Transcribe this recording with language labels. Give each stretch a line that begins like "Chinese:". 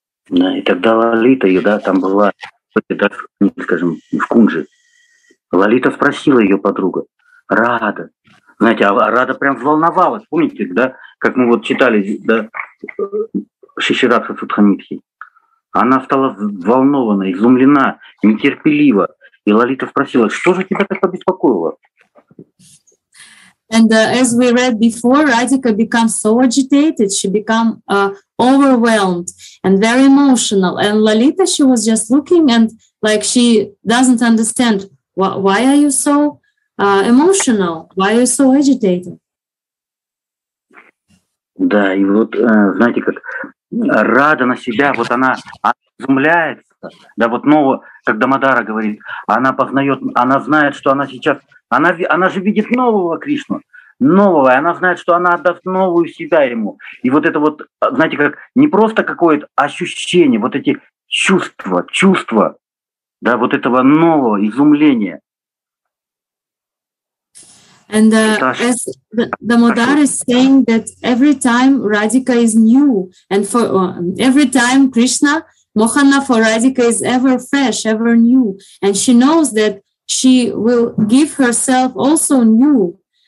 Russian: Да, и тогда Лолита, да, там была, да, скажем, в Кунже. Лолита спросила ее подруга, Рада. Знаете, а Рада прям взволновалась, помните, да, как мы вот читали, да, Шишираса Судханитхи. Она стала взволнована, изумлена, нетерпелива. И Лолита спросила, что же тебя так обеспокоило?
English: And as we read before, Radhika becomes so agitated, she become overwhelmed and very emotional. And Lolita, she was just looking and like she doesn't understand, why are you so emotional? Why are you so agitated?
Russian: Да, и вот знаете, как Рада на себя, вот она изумляется. Да, вот нового, как Дамодара говорит, она познает, она знает, что она сейчас, она же видит нового Кришну, нового, и она знает, что она отдаст новую себя ему. И вот это вот, знаете, как не просто какое-то ощущение, вот эти чувства, да, вот этого нового изумления.
English: And as Damodara is saying that every time Radhika is new, and for every time Krishna. Mohana for Radhika is ever fresh, ever new, and she knows that she will give herself also new.